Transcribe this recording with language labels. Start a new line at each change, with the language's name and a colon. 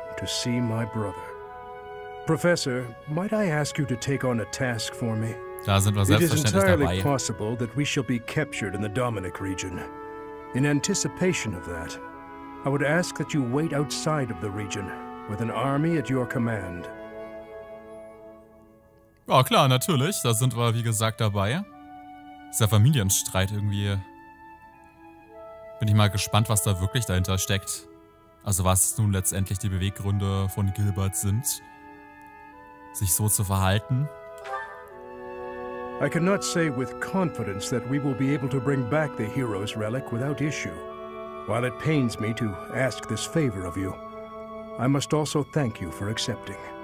English: To see my brother. Professor, might I ask you to take on a task for me?
German: Da sind wir
English: It is entirely
German: dabei.
English: Possible that we shall be captured in the Dominic region. In anticipation of that, I would ask that you wait outside of the region with an army at your command.
German: Ja, klar, natürlich. Da sind wir, wie gesagt, dabei. Ist der Familienstreit irgendwie. Bin ich mal gespannt, was da wirklich dahinter steckt. Also was nun letztendlich die Beweggründe von Gilbert sind, sich so zu verhalten.
English: I cannot say with confidence that we will be able to bring back the hero's relic without issue. While it pains me to ask this favor of you, I must also thank you for accepting.